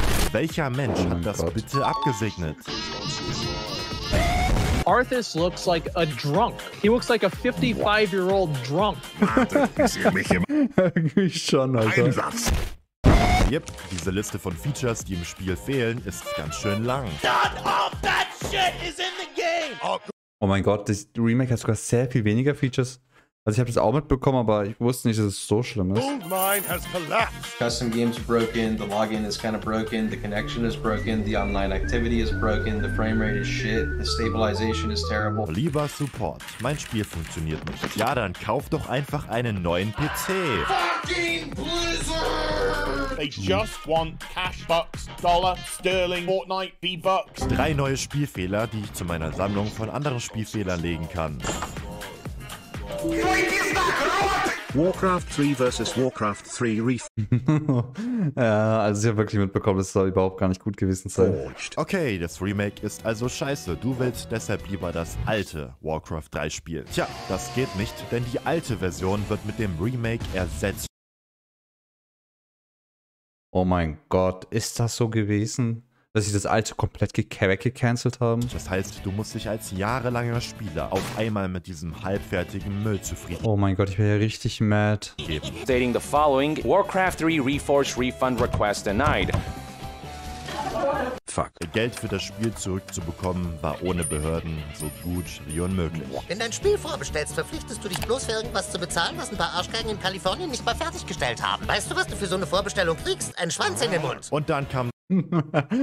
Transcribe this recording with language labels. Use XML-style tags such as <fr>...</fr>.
<de>Welcher Mensch hat das bitte abgesegnet?</de> <en>Arthas looks like a drunk. He looks like a 55-year-old drunk.</en> <de>Warte, ich sehe mich immer. Eigentlich schon, Alter. Einsatz. Yep, diese Liste von Features, die im Spiel fehlen, ist ganz schön lang.</de> <en>None of that shit is in the game!</en> <de>Oh mein Gott, das Remake hat sogar sehr viel weniger Features. Also ich habe das auch mitbekommen, aber ich wusste nicht, dass es so schlimm ist.</de> <en>Goldmine has collapsed. Custom games are broken, the login is kind of broken, the connection is broken, the online activity is broken, the frame rate is shit, the stabilization is terrible.</en> <de>Lieber Support, mein Spiel funktioniert nicht. Ja, dann kauf doch einfach einen neuen PC.</de> <en>Fucking Blizzard! They just want cash bucks, dollar, sterling, Fortnite, V-Bucks.</en> <de>3 neue Spielfehler, die ich zu meiner Sammlung von anderen Spielfehlern legen kann. Warcraft 3 vs. Warcraft 3 Reef. Ja, also ich habe wirklich mitbekommen, das soll überhaupt gar nicht gut gewesen sein. Okay, das Remake ist also scheiße. Du willst deshalb lieber das alte Warcraft 3 spielen. Tja, das geht nicht, denn die alte Version wird mit dem Remake ersetzt. Oh mein Gott, ist das so gewesen? Dass sie das alte komplett weggecancelt haben. Das heißt, du musst dich als jahrelanger Spieler auf einmal mit diesem halbfertigen Müll zufrieden. Oh mein Gott, ich bin ja richtig mad.</de> <en>Stating the following, Warcraft 3 Reforged Refund Request denied. Fuck.</en> <de>Geld für das Spiel zurückzubekommen, war ohne Behörden so gut wie unmöglich. Wenn dein Spiel vorbestellst, verpflichtest du dich bloß für irgendwas zu bezahlen, was ein paar Arschgeigen in Kalifornien nicht mal fertiggestellt haben. Weißt du, was du für so eine Vorbestellung kriegst? Ein Schwanz in den Mund. Und dann kam... Ja,</de>